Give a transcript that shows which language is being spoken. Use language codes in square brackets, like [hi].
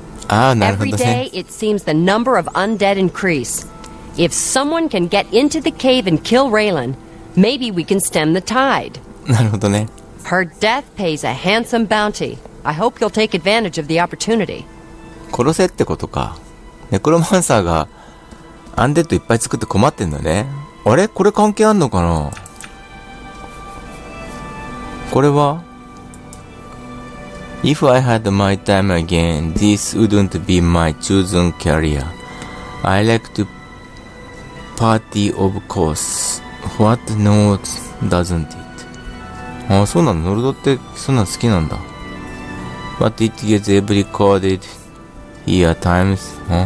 [en] Every day, it seems the number of undead increase. If someone can get into the cave and kill Raylan, maybe we can stem the tide. Her death pays a handsome bounty. I hope you'll take advantage of the opportunity. [ja] 殺せってことか。ネクロマンサーがアンデッドいっぱい作って困ってんのね。あれ？これ関係あんのかな？これは？ [en] If I had my time again, this wouldn't be my chosen career. I like to party, of course. What not, doesn't it? [ja] あ、そうなの？ノルドってそんなの好きなんだ。 [en] But it gets every coded here at times.